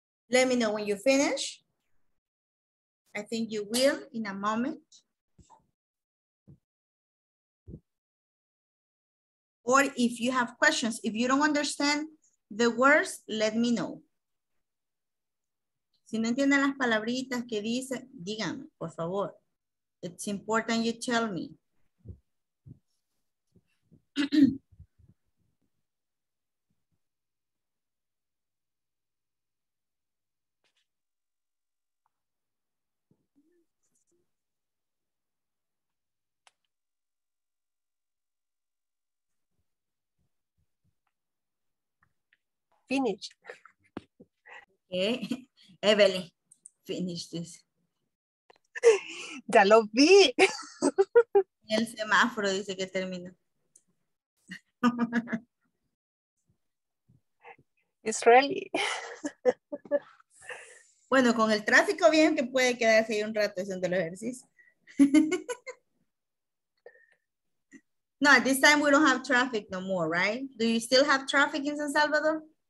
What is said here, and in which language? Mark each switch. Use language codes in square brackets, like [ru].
[en] Let me know when you finish. I think you will in a moment. Or if you have questions, if you don't understand the words, let me know. [es] Si no entienden las palabritas que dice, díganme, por favor. [en] It's important you tell me. Finish. Okay, Evelyn, finish this. [es] Ya lo vi. El semáforo dice que termina. [en] It's really. [es] Bueno, con el tráfico bien que puede quedarse ahí un rato haciendo el ejercicio. [en] No, at this time we don't have traffic no more, right? Do you still have traffic in San Salvador?